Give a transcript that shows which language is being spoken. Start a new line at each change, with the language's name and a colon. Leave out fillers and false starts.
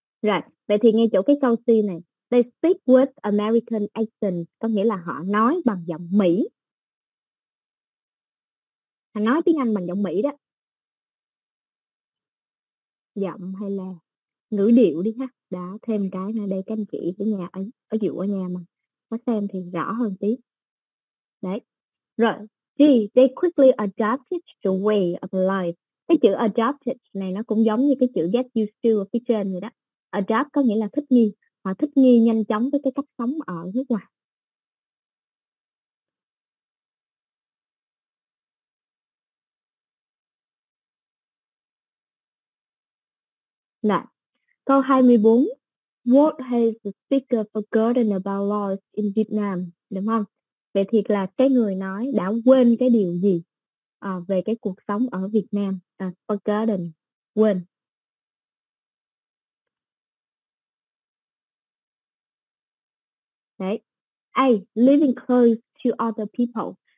Vietnamese: Rồi, vậy thì ngay chỗ cái câu C này,
English: they speak with American accent,
Vietnamese: có nghĩa là họ nói bằng giọng Mỹ. Họ nói tiếng Anh bằng giọng Mỹ đó. Giọng hay là ngữ điệu đi ha. Đó, thêm cái nữa đây, canh chị ở nhà, ở dụ ở nhà mà có xem thì rõ hơn tí. Đấy, rồi.
English: D, they quickly adopted the way of life.
Vietnamese: Cái chữ adopted này nó cũng giống như cái chữ get used to ở phía trên rồi đó. Adopt có nghĩa là thích nghi. Họ thích nghi nhanh chóng với cái cách sống ở nước ngoài. Rồi, câu 24.
English: What has the speaker forgotten about laws in Vietnam?
Vietnamese: Đúng không? Vậy thì là cái người nói đã quên cái điều gì về cái cuộc sống ở Việt Nam. Forgotten, quên. Đấy. Đấy.
English: A. Living close to other people.